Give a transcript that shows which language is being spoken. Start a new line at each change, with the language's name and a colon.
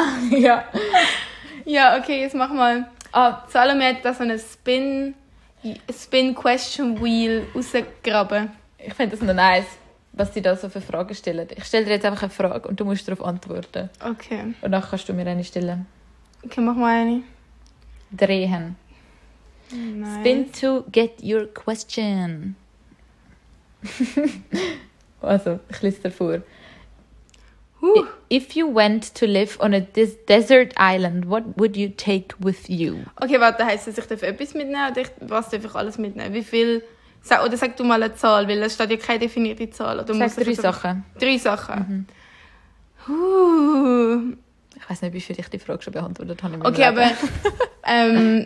German: Ja. Ja, okay, jetzt mach mal. Salome hat da so eine Spin-Question-Wheel rausgegraben. Ich finde das noch nice, was sie da so für Fragen stellen. Ich stelle dir jetzt einfach eine Frage und du musst darauf antworten. Okay. Und dann kannst du mir eine stellen. Okay, mach mal eine. Drehen. Nice.
English: Spin to get your question.
German: Also, ich lese dir vor.
English: If you went to live on a desert island, what would you take with you?
German: Okay, warte, heisst das, ich darf etwas mitnehmen oder was darf ich alles mitnehmen? Wie viel? Oder sag du mal eine Zahl, weil es steht ja keine definierte Zahl. Oder sag drei Sachen. Drei Sachen. Mhm. Ich weiß nicht, wie viel ich die Frage schon beantwortet habe. Okay, Leben.